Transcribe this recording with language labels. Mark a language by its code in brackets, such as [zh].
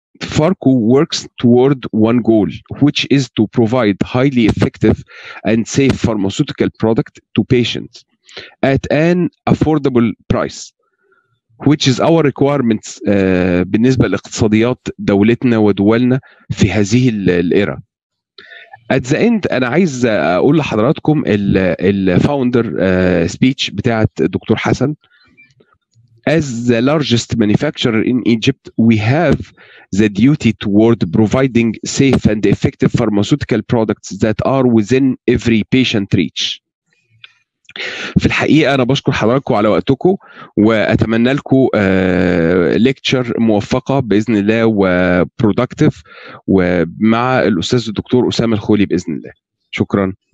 [en] Farco works toward one goal, which is to provide highly effective and safe pharmaceutical product to patients at an affordable price, which is our requirements [ar] بالنسبة لاقتصاديات دولتنا ودولنا في هذه الإيرا. [en] At the end, [ar] أنا عايز أقول لحضراتكم الـ [en] founder speech [ar] بتاعت دكتور حسن. [en] As the largest manufacturer in Egypt, we have the duty toward providing safe and effective pharmaceutical products that are within every patient reach. [ar] في الحقيقة أنا بشكر حضراتكم على وقتكم، وأتمنى لكم ليكتشر موفقة بإذن الله وبرودكتيف ومع الأستاذ الدكتور أسامة الخولي بإذن الله. شكرا.